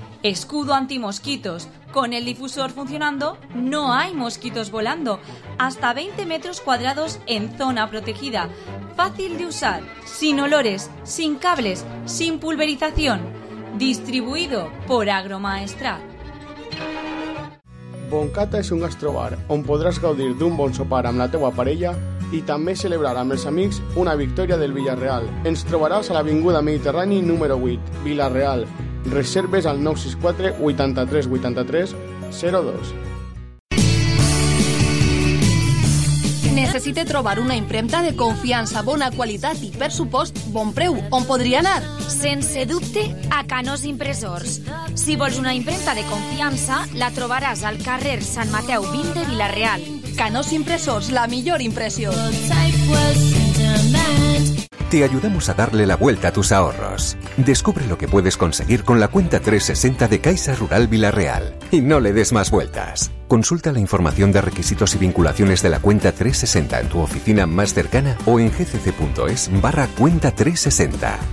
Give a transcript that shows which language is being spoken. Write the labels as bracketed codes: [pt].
[es] Escudo antimosquitos. Con el difusor funcionando, no hay mosquitos volando. Hasta 20 metros cuadrados en zona protegida. Fácil de usar, sin olores, sin cables, sin pulverización. Distribuido por Agromaestrat. [ca] Boncata es un gastrobar on podrás gaudir d'un bon sopar amb la teua parella i també celebrar amb els amics una victòria del Villarreal. Ens trobaràs a l'Avinguda Mediterrani número 8, Villarreal. Reserves al 964 83 83 02. Necessite trobar una impremta de confiança, bona qualitat i, per supost, bon preu. On podria anar? Sense dubte, a Canós Impressors. Si vols una impremta de confiança, la trobaràs al carrer Sant Mateu 20 de Villarreal. Canós Impressors, la millor impressió. [es] Te ayudamos a darle la vuelta a tus ahorros. Descubre lo que puedes conseguir con la cuenta 360 de Caixa Rural Villarreal. Y no le des más vueltas. Consulta la información de requisitos y vinculaciones de la cuenta 360 en tu oficina más cercana o en gcc.es/cuenta360.